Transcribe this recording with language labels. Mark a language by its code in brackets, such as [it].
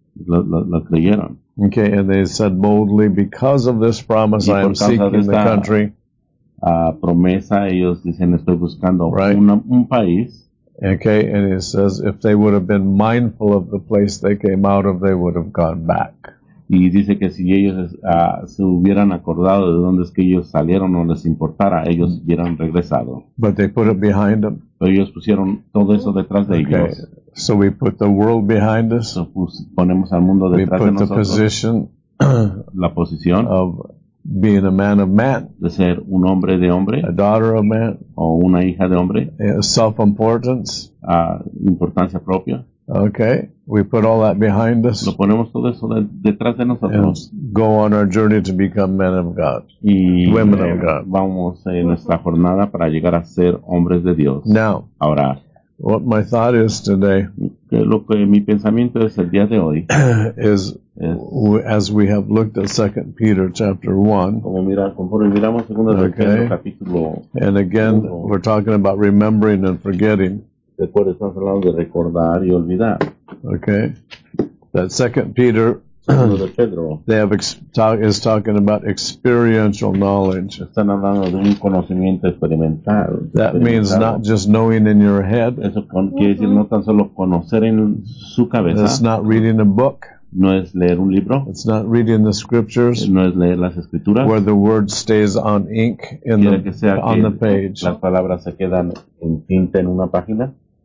[es] Lo creyeron. [en] Okay, and they said boldly, because of this promise, I am seeking [es] esta, [en] the country. [es] Promesa, ellos dicen, estoy buscando [en] right. [es] un país. [en] Okay, and he says, if they would have been mindful of the place they came out of, they would have gone back. [es] Y dice que si ellos se hubieran acordado de dónde es que ellos salieron, no les importara, ellos hubieran regresado. [en] But they put it behind them. [es] Pero ellos pusieron todo eso detrás de [en] okay. [es] ellos. [en] So we put the world behind us. [es] So ponemos al mundo detrás [en] we put [es] de nosotros. [en] The position [es] la posición [en] of being a man of man. [es] De ser un hombre de hombre. [en] A daughter of man. [es] O una hija de hombre. [en] Self-importance. [es] Importancia propia. [en] Okay, we put all that behind us. [es] Lo ponemos todo eso detrás de nosotros. [en] Go on our journey to become men of God. [es] Y [en] women of God. [es] Vamos en nuestra jornada para llegar a ser hombres de Dios. [en] Now, [es] ahora, [en] what my thought is today. [es] Lo que mi pensamiento es el día de hoy. [en] Is as we have looked at 2 Peter chapter 1. [es] Como miramos 2 Pedro [en] okay, [es] capítulo. [en] And again, [es] uno. [en] We're talking about remembering and forgetting. [es] De cuál estamos hablando de recordar y olvidar. [en] Okay. That second Peter, [es] de Pedro, [en] they have is talking about experiential knowledge. [es] Están hablando de un conocimiento experimental. [en] That means not just knowing in your head. [es] Eso quiere decir no tan solo conocer en su cabeza. [en] It's not reading a book. [es] No es leer un libro. [en] It's not reading the scriptures. [es] No es leer las escrituras. [en] Where the word stays on ink in the page. [es] Las palabras se quedan en tinta en una página.